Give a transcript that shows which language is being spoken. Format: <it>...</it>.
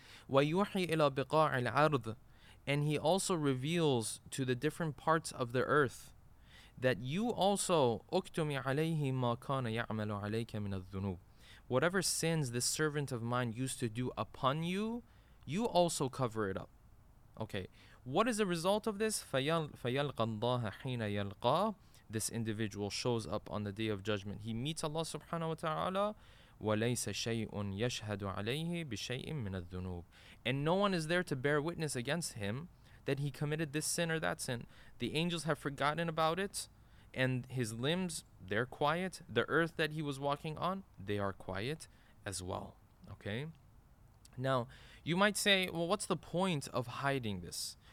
<ar>وَيُوحِي إِلَى بِقَاعِ الْعَرْضِ</ar> <en>And he also reveals to the different parts of the earth that you also</en> <ar>أُكْتُمِ عَلَيْهِ مَا كَانَ يَعْمَلُ عَلَيْكَ مِنَ الذُّنُوبِ</ar> <en>Whatever sins this servant of mine used to do upon you, you also cover it up. Okay, what is the result of this?</en> <ar>فَيَلْقَى اللَّهَ حِينَ يَلْقَى</ar> <en>this individual shows up on the Day of Judgment. He meets Allah subhanahu wa ta'ala,</en> <ar>وَلَيْسَ شَيْءٌ يَشْهَدُ عَلَيْهِ بِشَيْءٍ مِنَ الذُّنُوبِ.</ar> <en>And no one is there to bear witness against him that he committed this sin or that sin. The angels have forgotten about it, and his limbs, they're quiet. The earth that he was walking on, they are quiet as well. Okay? Now, you might say, well, what's the point of hiding this?</en>